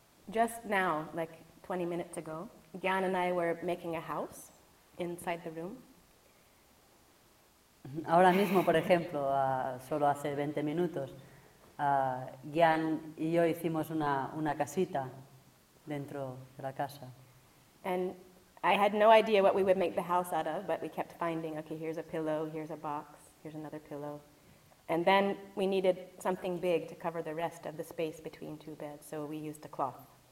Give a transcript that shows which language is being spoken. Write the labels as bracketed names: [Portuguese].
[English] Just now, like 20 minutes ago, Gyan and I were making a house inside the room. [Spanish] Ahora mismo, por ejemplo, solo hace 20 minutos, Gyan y yo hicimos una casita dentro de la casa. [English] And I had no idea what we would make the house out of, but we kept finding, okay, here's a pillow, here's a box, here's another pillow. And then we needed something big to cover the rest of the space between two beds, so we used a cloth.